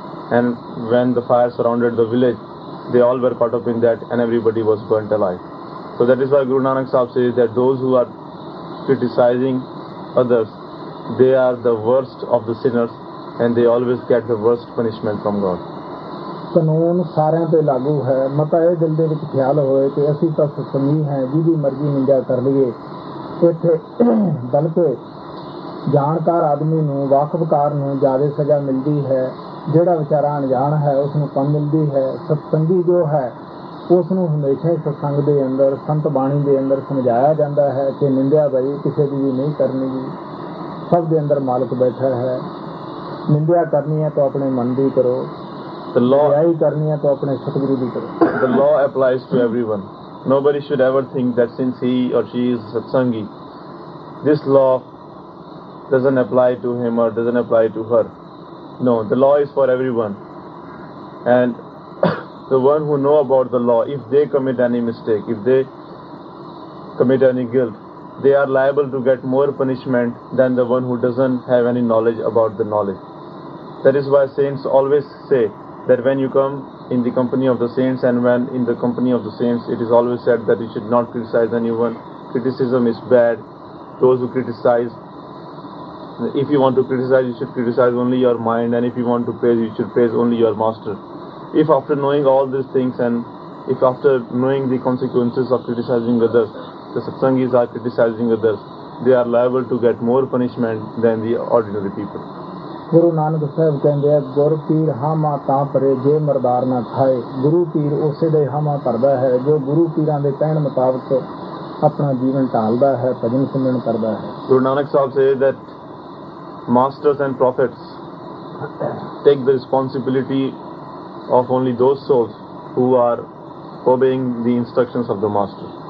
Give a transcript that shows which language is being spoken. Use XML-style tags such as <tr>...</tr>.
<en>And when the fire surrounded the village, they all were caught up in that and everybody was burnt alive. So that is why Guru Nanak Sahib says that those who are criticizing others, they are the worst of the sinners and they always get the worst punishment from God.</en> <pa>ਕਾਨੂੰਨ ਸਾਰਿਆਂ ਤੇ ਲਾਗੂ ਹੈ ਮਤਾ ਇਹ ਦਿਲ ਦੇ ਵਿੱਚ ਖਿਆਲ ਹੋਏ ਕਿ ਅਸੀਂ ਤਾਂ ਸੁਖਮੀ ਹੈ ਜਿਹਦੀ ਮਰਜ਼ੀ ਨਿੰਦਾ ਕਰ ਲਈਏ ਇੱਥੇ ਬਲਕਿ ਜਾਣਕਾਰ ਆਦਮੀ ਨੂੰ ਵਾਕਫਕਾਰ ਨੂੰ ਜ਼ਿਆਦਾ ਸਜ਼ਾ ਮਿਲਦੀ ਹੈ ਜਿਹੜਾ ਵਿਚਾਰਾ ਅਣਜਾਣ ਹੈ ਉਸਨੂੰ ਕੰਮ ਮਿਲਦੀ ਹੈ ਸਤਸੰਗੀ ਜੋ ਹੈ ਉਸਨੂੰ ਹਮੇਸ਼ਾ ਸਤਸੰਗ ਦੇ ਅੰਦਰ ਸੰਤ ਬਾਣੀ ਦੇ ਅੰਦਰ ਸਮਝਾਇਆ ਜਾਂਦਾ ਹੈ ਕਿ ਨਿੰਦਿਆ ਬਈ ਕਿਸੇ ਦੀ ਵੀ ਨਹੀਂ ਕਰਨੀ ਜੀ ਸਭ ਦੇ ਅੰਦਰ ਮਾਲਕ ਬੈਠਾ ਹੈ ਨਿੰਦਿਆ ਕਰਨੀ ਹੈ ਤਾਂ ਆਪਣੇ ਮਨ ਦੀ ਕਰੋ</pa> <en>The law applies to everyone. Nobody should ever think that since he or she is a satsangi, this law doesn't apply to him or doesn't apply to her. No, the law is for everyone. And the one who know about the law, if they commit any mistake, if they commit any guilt, they are liable to get more punishment than the one who doesn't have any knowledge about the knowledge. That is why saints always say that when you come in the company of the saints and when in the company of the saints, it is always said that you should not criticize anyone. Criticism is bad. Those who criticize, if you want to criticize, you should criticize only your mind, and if you want to praise, you should praise only your master. If after knowing all these things and if after knowing the consequences of criticizing others, the satsangis are criticizing others, they are liable to get more punishment than the ordinary people.</en> <pa>Guru Nanak Sahib ਕਹਿੰਦੇ ਆ ਗੁਰ ਪੀਰ ਹਾਮਾ ਤਾਂ ਭਰੇ ਜੇ ਮਰਦਾਰ ਨਾ ਖਾਏ ਗੁਰੂ ਪੀਰ ਉਸੇ ਦੇ ਹਾਮਾ ਭਰਦਾ ਹੈ ਜੋ ਗੁਰੂ ਪੀਰਾਂ ਦੇ ਕਹਿਣ ਮੁਤਾਬਕ ਆਪਣਾ ਜੀਵਨ ਢਾਲਦਾ ਹੈ ਭਜਨ ਸਿਮਰਨ ਕਰਦਾ ਹੈ</pa> <en>Guru Nanak Sahib say that masters and prophets take the responsibility of only those souls who are obeying the instructions of the master</en>